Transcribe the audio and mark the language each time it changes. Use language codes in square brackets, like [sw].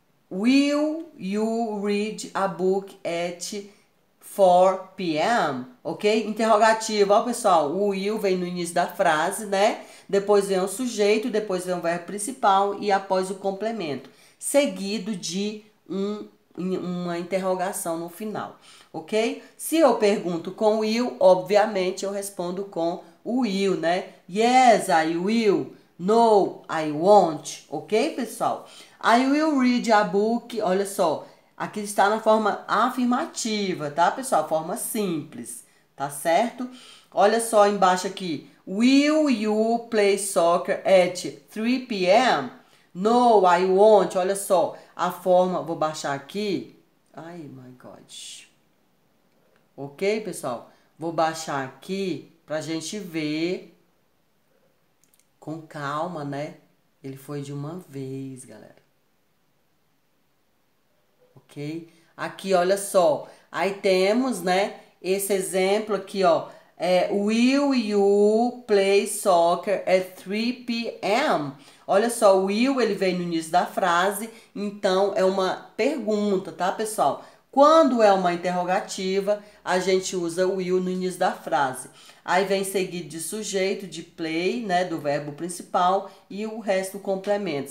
[en] Will you read a book at 4 p.m.? [pt] Ok? Interrogativo. Ó, pessoal, o will vem no início da frase, né? Depois vem o sujeito, depois vem o verbo principal e após o complemento. Seguido de uma interrogação no final. Ok? Se eu pergunto com will, obviamente eu respondo com o will, né? [en] Yes, I will. No, I won't. [pt] Ok, pessoal? [en] I will read a book. [pt] Olha só, aqui está na forma afirmativa, tá, pessoal? Forma simples, tá certo? Olha só embaixo aqui. [en] Will you play soccer at 3 p.m.? No, I won't. [pt] Olha só, a forma. Vou baixar aqui. Ai, [en] my God. [pt] Ok, pessoal? Vou baixar aqui pra gente ver. Com calma, né? Ele foi de uma vez, galera. Ok? Aqui, olha só. Aí temos, né? Esse exemplo aqui, ó. [en] É, will you play soccer at 3 p.m.? [pt] Olha só, will, ele vem no início da frase. Então, é uma pergunta, tá, pessoal? Quando é uma interrogativa, a gente usa o will no início da frase. Aí vem seguido de sujeito, de play, né? Do verbo principal e o resto complemento.